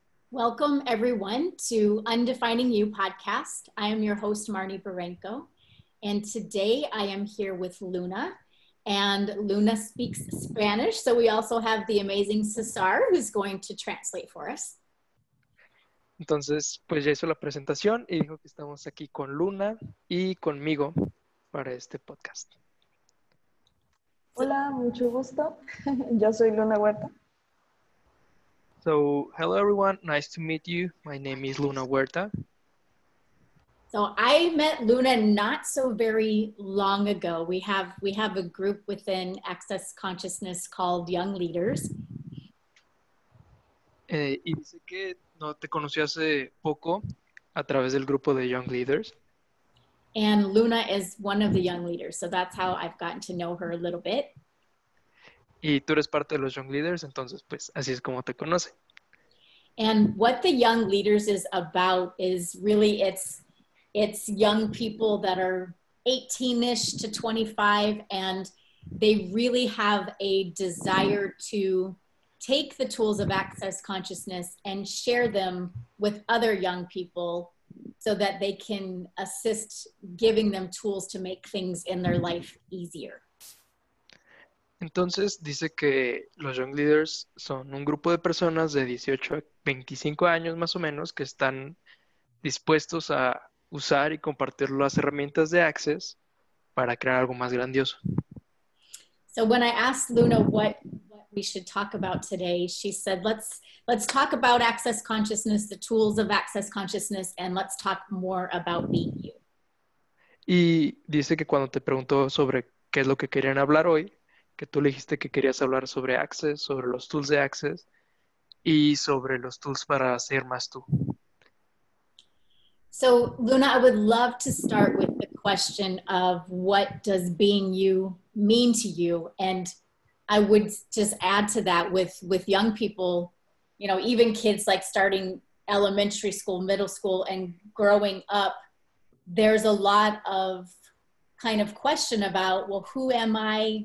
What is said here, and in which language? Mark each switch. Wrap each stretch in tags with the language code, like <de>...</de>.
<en>Welcome, everyone, to Undefining You podcast. I am your host, Marnie Baranko, and today I am here with Luna, and Luna speaks Spanish, so we also have the amazing Cesar, who's going to translate for us.</en> <es>Entonces, pues ya hizo la presentación y dijo que estamos aquí con Luna y conmigo para este podcast. Hola, mucho gusto. Yo soy Luna Huerta.</es> <en>So, hello everyone, nice to meet you. My name is Luna Huerta. So, I met Luna not so very long ago. We have a group within Access Consciousness called Young Leaders.</en> <es>Y dice que no te conocí hace poco a través del grupo de Young Leaders.</es> <en>And Luna is one of the Young Leaders, so that's how I've gotten to know her a little bit.</en> <es>Y tú eres parte de los Young Leaders, entonces, pues, así es como te conoce.</es> <en>And what the Young Leaders is about is really it's young people that are 18-ish to 25, and they really have a desire to take the tools of Access Consciousness and share them with other young people so that they can assist giving them tools to make things in their life easier.</en> <es>Entonces, dice que los Young Leaders son un grupo de personas de 18 a 25 años, más o menos, que están dispuestos a usar y compartir las herramientas de Access para crear algo más grandioso.</es> <en>So when I asked Luna what we should talk about today, she said, let's talk about Access Consciousness, the tools of Access Consciousness, and let's talk more about being you.</en> <es>Y dice que cuando te preguntó sobre qué es lo que querían hablar hoy, que tú le dijiste que querías hablar sobre Access, sobre los tools de Access y sobre los tools para ser más tú.</es> <en>So, Luna, I would love to start with the question of what does being you mean to you? And I would just add to that with young people, you know, even kids like starting elementary school, middle school, and growing up, there's a lot of kind of question about, well, who am I?</en>